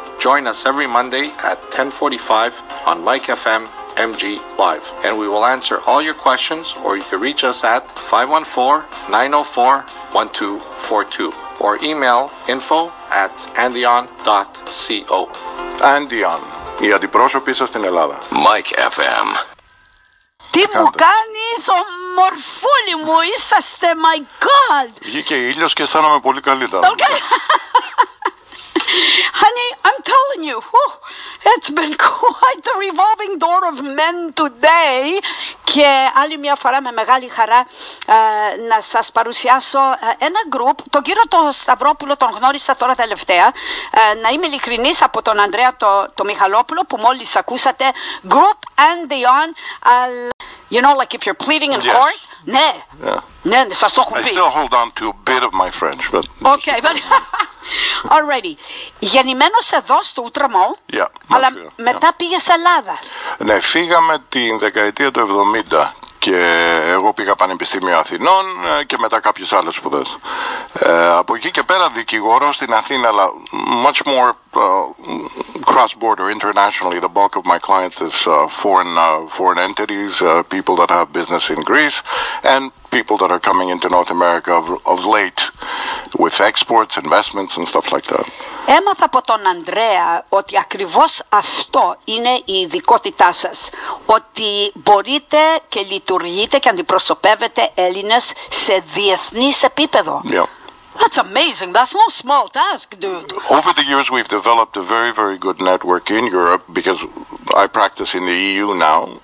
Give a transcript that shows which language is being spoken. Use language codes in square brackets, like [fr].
[en] Join us every Monday at 10:45 on Mike FM MG Live, and we will answer all your questions, or you can reach us at 514-904-1242 or email info@andion.co. Andion. [el] Οι αντιπρόσωποι σας στην Ελλάδα. [en] Mike FM. [el] Τι μου κάνεις, ομορφούλη μου, είσαστε, [en] my God. [el] Βγήκε ήλιος και αισθάνομαι πολύ καλύτερα. [en] Honey, I'm telling you, it's been quite the revolving door of men today. [el] Και άλλη μια φορά με μεγάλη χαρά να σας παρουσιάσω ένα group. Τον κύριο το Σταυρόπουλο τον γνώρισα τώρα τελευταία. Να είμαι ειλικρινής, από τον Ανδρέα το Μιχαλόπουλο που μόλις ακούσατε. [en] Group and the on. You know, like if you're pleading in yes. court. Ναι. Yeah. [el] Ναι, σας το έχω πει. [en] I still hold on to a bit of my French. But okay, but... Alrighty. [el] Γεννημένος εδώ στο Ούτρεμο, [en] yeah, [el] αλλά yeah. μετά πήγε σε Ελλάδα. Ναι, φύγαμε την δεκαετία του 70 και εγώ πήγα Πανεπιστήμιο Αθηνών και μετά κάποιες άλλες σπουδές. Από εκεί και πέρα δικηγόρο στην Αθήνα, αλλά [en] much more cross-border, internationally. [el] The bulk of my clients is foreign entities, people that have business in Greece, and people that are coming into North America of late with exports, investments, and stuff like that. Έμαθα από τον Ανδρέα ότι ακριβώς αυτό είναι η ειδικότητά σας. Ότι μπορείτε και λειτουργείτε και αντιπροσωπεύετε Έλληνες σε διεθνής επίπεδο. [en] Yeah. That's amazing. That's no small task, dude. Over the years, we've developed a very, very good network in Europe because I practice in the EU now.